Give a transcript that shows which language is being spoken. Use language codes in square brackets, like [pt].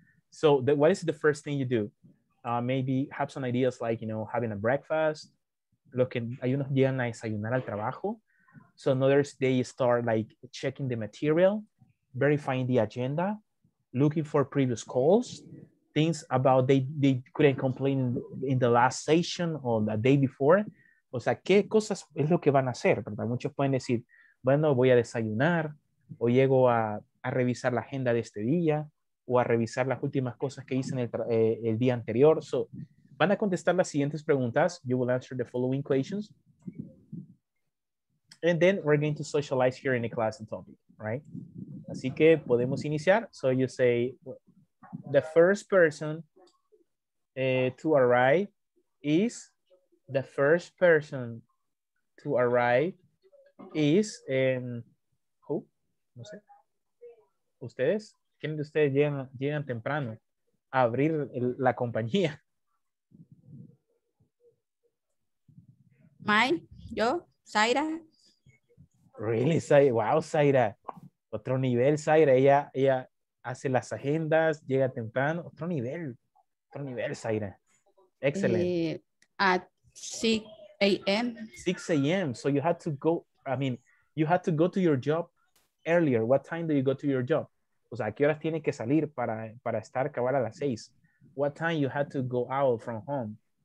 [en] So what is the first thing you do? Maybe have some ideas like, you know, having a breakfast. [es] Lo que hay unos llegan a desayunar al trabajo. [en] So another day start like checking the material, verifying the agenda, looking for previous calls, things about they couldn't complain in the last session or the day before. [es] O sea, ¿qué cosas es lo que van a hacer? ¿Verdad? Muchos pueden decir, bueno, voy a desayunar o llego a revisar la agenda de este día o a revisar las últimas cosas que hice en el día anterior. So, van a contestar las siguientes preguntas. [en] You will answer the following questions. And then we're going to socialize here in the class and topic, right? [es] Así que podemos iniciar. [en] So you say, the first person to arrive is, the first person to arrive is, who? [es] No sé. ¿Ustedes? ¿Quiénes de ustedes llegan temprano a abrir la compañía? May, yo, Zaira. Really, Zaira. Wow, Zaira. Otro nivel, Zaira. Ella hace las agendas, llega temprano. Otro nivel, Zaira. Excellent. [en] At 6 a.m. 6 a.m. So you had to go, you had to go to your job earlier. What time do you go to your job? [es] O sea, ¿a qué horas tiene que salir para estar acabar a las 6? [en] What time you had to go out from home?